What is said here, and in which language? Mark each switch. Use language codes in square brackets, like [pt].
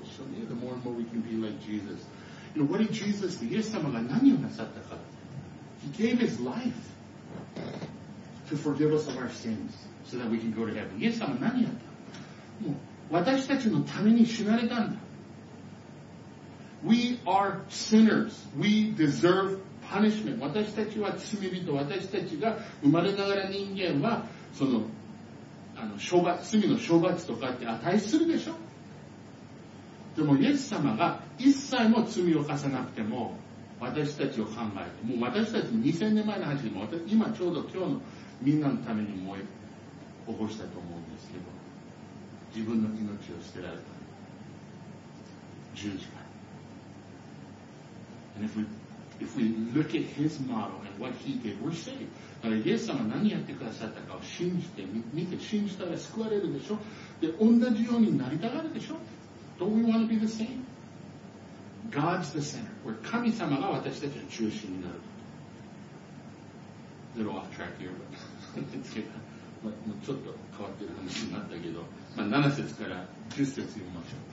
[en] So, yeah, the more and more we can be like Jesus. You know, what did Jesus do? [ja] イエス様が何をなさったか。 [en] He gave his life. To forgive us of our sins, so that we can go to heaven. [ja] イエス様何やった？もう私たちのために死なれたんだ。 [en] We are sinners. We deserve punishment. [ja] 私たちは罪人。私たちが生まれながら人間は、罪の処罰とかって値するでしょ？でもイエス様が一切も罪を犯さなくても、私たちを考えて、もう私たち2000年前の話でも、今ちょうど今日のみんなのために燃え起こしたと思うんですけど、自分の命を捨てられた十字架。 [en] And if we look at his model and what he did, we're saved. [ja] イエス様何やってくださったかを信じて見て、信じたら救われるでしょ。で、同じようになりたがるでしょ。 [en] Don't we want to be the same? God's the center. [ja] 神様が私たちの中心になる。 [en] Little off track here, but [ja] まあ、もうちょっと変わってる話になったけど、まあ、7節から10節読みましょう。